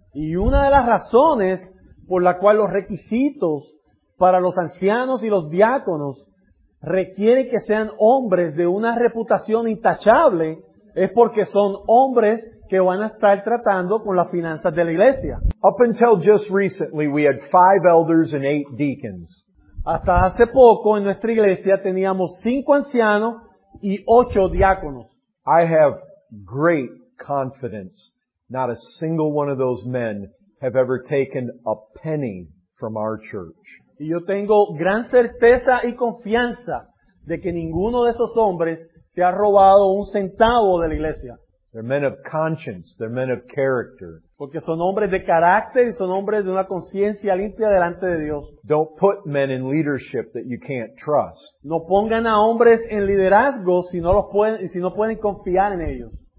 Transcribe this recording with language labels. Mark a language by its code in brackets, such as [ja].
[es] Y una de las razones por la cual los requisitos para los ancianos y los diáconos requiere que sean hombres de una reputación intachable es porque son hombres que van a estar tratando con las finanzas de la iglesia. [en] Up until just recently, we had 5 elders and 8 deacons. [es] Hasta hace poco en nuestra iglesia teníamos 5 ancianos y 8 diáconos. [en] I have great confidence. Not a single one of those men have ever taken a penny from our church. [es] Y yo tengo gran certeza y confianza de que ninguno de esos hombres se ha robado un centavo de la iglesia. [en] They're men of conscience. They're men of character. [es] Porque son hombres de carácter y son hombres de una conciencia limpia delante de Dios. [en] Don't put men in leadership that you can't trust. [es] No pongan a hombres en liderazgo si no pueden confiar en ellos.